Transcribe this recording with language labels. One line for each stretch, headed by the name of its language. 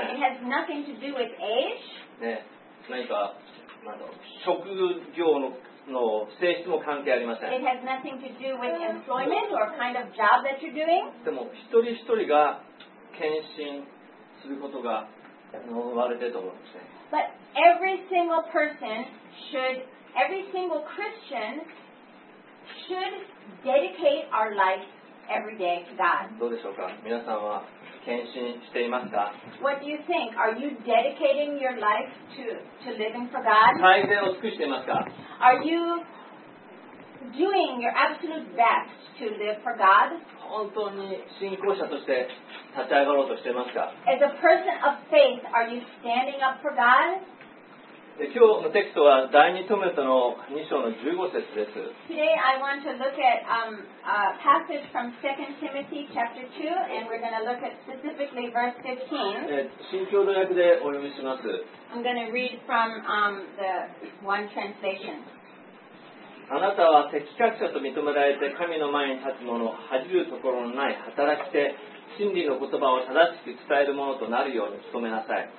English: It has nothing to do with age.
Japanese: ね、何か、職業のの性質も関係ありません。
English: It has nothing to do with employment or kind of job that you're doing.
Japanese: でも一人一人が献身することが望まれていると思うんですね。
English: But every single person should, every single Christian should dedicate our life every day to God.
Japanese: どうでしょうか。皆さんは献身していますか。
English: What do you think? Are you dedicating your life to living for God?
Japanese: 最善を尽くしていますか。
English: Are you doing your absolute best to live for God?
Japanese: 本当に信仰者として立ち上がろうとしていますか。
English: As a person of faith, are you standing up for God?
Japanese: 今日のテキストは第二トモテの2章の15節です。
English: Today I want to look at a passage from 2 Timothy chapter 2 and we're going to look at specifically verse 15.
Japanese: 新共同訳でお読みします。
English: I'm going to read from the one translation.
Japanese: あなたは適格者と認められて神の前に立つ者、恥じるところのない働きで真理の言葉を正しく伝える者となるように努めなさい。